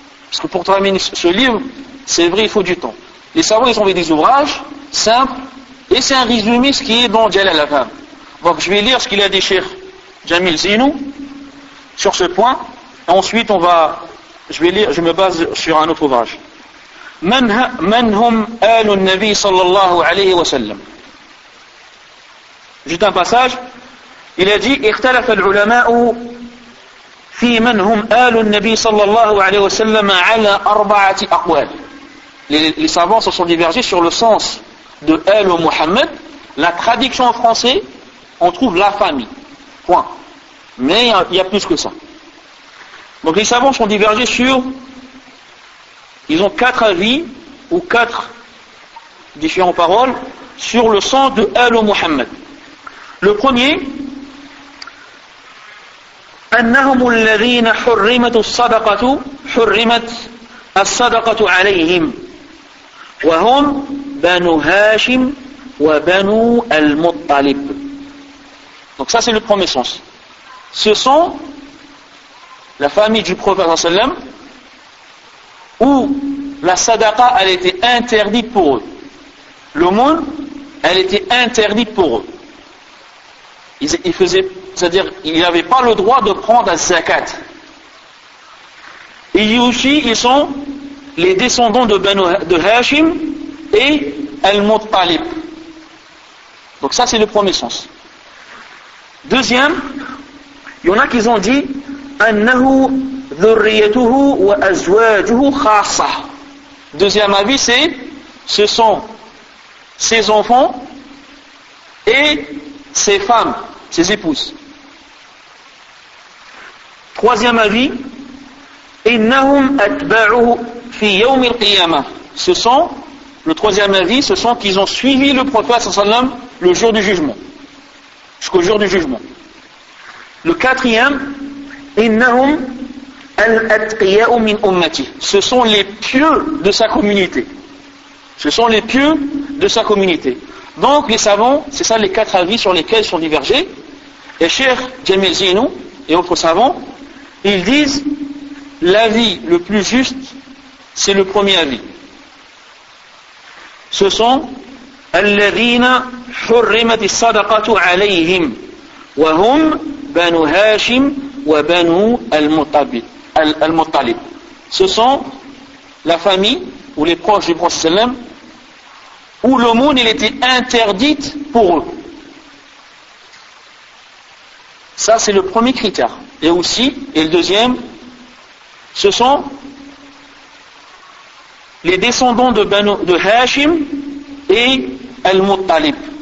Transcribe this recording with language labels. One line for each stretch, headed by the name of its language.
French: Parce que pour terminer ce livre, c'est vrai, il faut du temps. Les savants ils ont fait des ouvrages simples et c'est un résumé ce qui est dans Jalal Afham. Donc je vais lire ce qu'il a dit Cheikh Jamil Zainou sur ce point. Et ensuite je me base sur un autre ouvrage.
Arabic: من هم آل النبي صلى الله عليه وسلم جدا باساج إلى جي اختلف العلماء في من هم آل النبي صلى الله عليه وسلم على أربعة أقوال
French: les savants se sont divergés sur le sens de
Arabic: آل محمد.
French: La traduction en français, on trouve la famille, point, mais il y a plus que ça. Donc les savants sont divergés sur, ils ont quatre avis ou quatre différentes paroles sur le sens de Al-Muhammad. Le premier,
Arabic: أنهم الذين حرمت الصدقة حرمت الصدقة عليهم وهم بنو هاشم وبنو المطلب.
French: Donc ça c'est le premier sens. Ce sont la famille du Prophète sallam où la sadaqa, elle était interdite pour eux. L'aumône, elle était interdite pour eux. Ils n'avaient pas le droit de prendre un zakat. Et Yushi, ils sont les descendants de Hashim et Al-Muttalib. Donc ça, c'est le premier sens. Deuxième, il y en a qui ont dit
Arabic: أَنَّهُ ذُرِّيَتُهُ وَأَزْوَاجُهُ خَاصَّةُ.
French: Deuxième avis, c'est ce sont ses enfants et ses femmes, ses épouses. Troisième avis,
Arabic: إنهم أتبعه في يوم القيامة.
French: Ce sont, le troisième avis, ce sont qu'ils ont suivi le prophète sallallahu alayhi wa sallam le jour du jugement. Jusqu'au jour du jugement. Le quatrième,
Arabic: إنهم الأتقياء من أمتي.
French: Ce sont les pieux de sa communauté. Ce sont les pieux de sa communauté. Donc les savants, c'est ça les quatre avis sur lesquels ils sont divergés. Et Cheikh Jamil Zinou et autres savants, ils disent l'avis le plus juste, c'est le premier avis. Ce sont
Arabic: الَّذِينَ حُرِّمَتِ الصَّدَقَةُ عَلَيْهِمْ وَهُمْ بَنُ هَاشِمْ وَبَنُ الْمُطَّلِبِ.
French: Ce sont la famille ou les proches du Prophète sallam où l'aumône était interdite pour eux. Ça, c'est le premier critère. Et aussi, et le deuxième, ce sont les descendants de Hashim et Al-Muttalib.